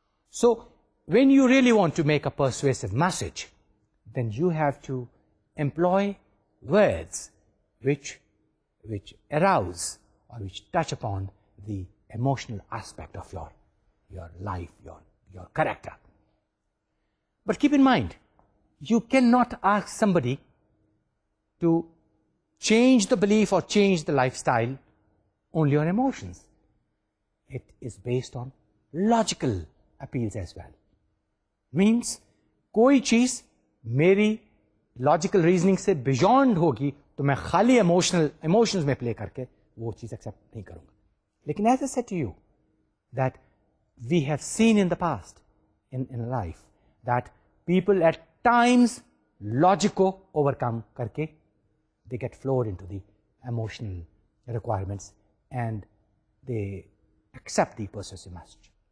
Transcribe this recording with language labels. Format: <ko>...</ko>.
<en>So when you really want to make a persuasive message, then you have to employ words which arouse or which touch upon the emotional aspect of your life, your character. But keep in mind, you cannot ask somebody to change the belief or change the lifestyle only on emotions. It is based on logical appeals as well.</en> <ur>Means, کوئی چیز میری</ur> <en>logical reasoning</en> <ur>سے beyond ہوگی تو میں خالی emotions میں play کر کے وہ چیز accept نہیں کروں گا.</ur> <en>لیکن as I said to you, that we have seen in the past, in life, that people at times logic</en> <ur>کو</ur> <en>overcome</en> <ur>کر کے</ur> <en>they get flowed into the emotional requirements and they accept the persuasive message.</en>